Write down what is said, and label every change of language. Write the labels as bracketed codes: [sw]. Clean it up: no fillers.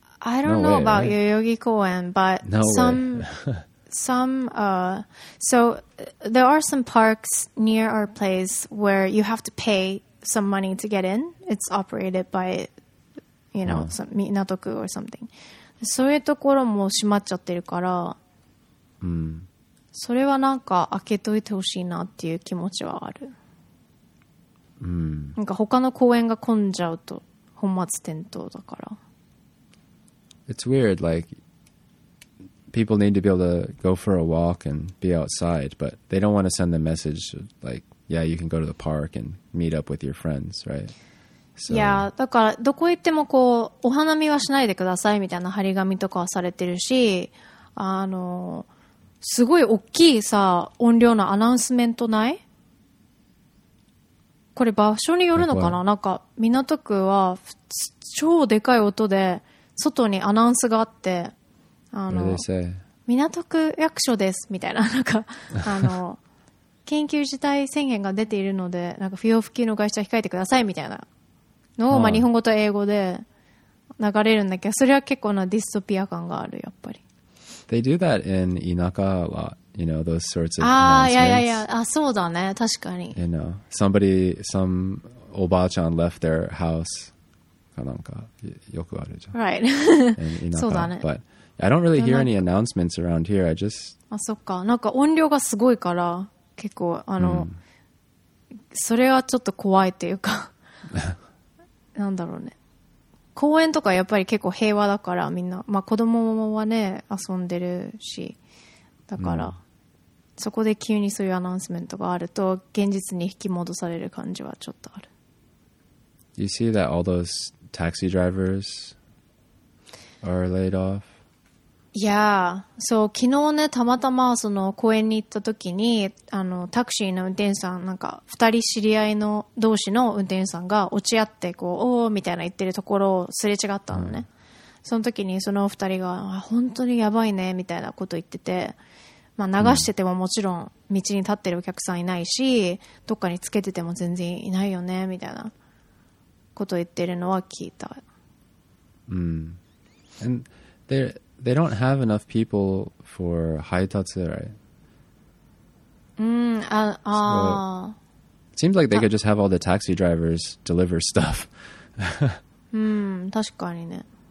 [en] I don't know about Yoyogi Koen, but so there are some parks near our place where you have to pay some money to get in. It's operated by, you know, Minato-ku or something. [ja] そういうところも閉まっちゃってるから、うん、それはなんか開けといてほしいなっていう気持ちはある。うん、なんか他の公園が混んじゃうと本末転倒だから。 [en] It's weird, like people need to be able to go for a walk and be outside, but they don't want to send the message like, yeah, you can go to the park and meet up with your friends, right? So, yeah, [ja] だからどこ行ってもこうお花見はしないでくださいみたいな張り紙とかはされてるし、あのすごい大きいさ音量のアナウンスメントない？これ場所によるのかな、なんか港区は超でかい音で外にアナウンスがあって、あの港区役所ですみたいな、なんかあの緊急事態宣言が出ているのでなんか不要不急の外出は控えてくださいみたいなのを、まあ、日本語と英語で流れるんだけど、それは結構なディストピア感があるやっぱり。 [en] They do that in 田舎 a lot, you know, those sorts of announcements. Ah, yeah, yeah, yeah. Ah, [ja] そうだね、確かに。 [en] You know, somebody, some おばあちゃん left their house, [ja] かなんかよくあるじゃん。 Right. そうだね。 [en] But I don't really hear any announcements around here. I just. [ja] あ、そっか。なんか音量がすごいから結構あの、それはちょっと怖いっていうか。なんだろうね。公園とかやっぱり結構平和だからみんな、まあ、子供はね遊んでるしだから、そこで急にそういうアナウンスメントがあると現実に引き戻される感じはちょっとある。 [en] You see that all those taxi drivers are laid off? Yeah, so [ja] 昨日ねたまたまその公園に行った時にあのタクシーの運転手さんなんか2人知り合いの同士の運転手さんが落ち合ってこうおーみたいな言ってるところをすれ違ったのね、その時にその2人があ本当にやばいねみたいなこと言ってて、まあ、流しててももちろん道に立ってるお客さんいないしどっかにつけてても全然いないよねみたいなこと言ってるのは聞いた。 [en] And they don't have enough people for 配達 right? So, it seems like they could just have all the taxi drivers deliver stuff. [ja] 確かにね。